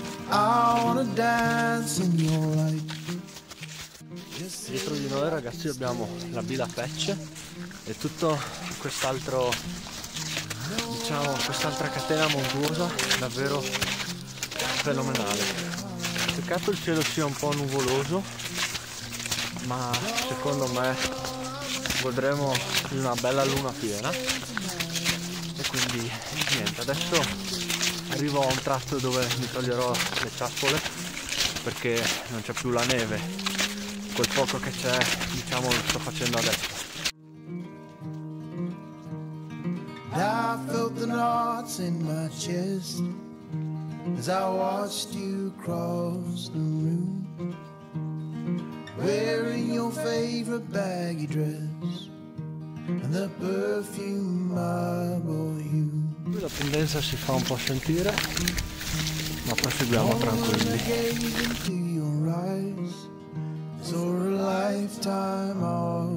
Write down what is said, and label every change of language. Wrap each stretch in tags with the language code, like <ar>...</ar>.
<en>I wanna dance in your light.</en> <it>Dietro di noi, ragazzi, abbiamo la Bila Patch e tutto quest'altro, diciamo, quest'altra catena montuosa davvero fenomenale. Peccato il cielo sia un po' nuvoloso, ma secondo me godremo una bella luna piena. Quindi niente, adesso arrivo a un tratto dove mi toglierò le ciaspole perché non c'è più la neve, quel poco che c'è, diciamo, lo sto facendo adesso.</it> <en>I felt the knots in my chest as I watched you cross the room, wearing your favorite baggy dress. And the perfume you.</en> <it>Qui la pendenza si fa un po' sentire, ma proseguiamo tranquilli.</it>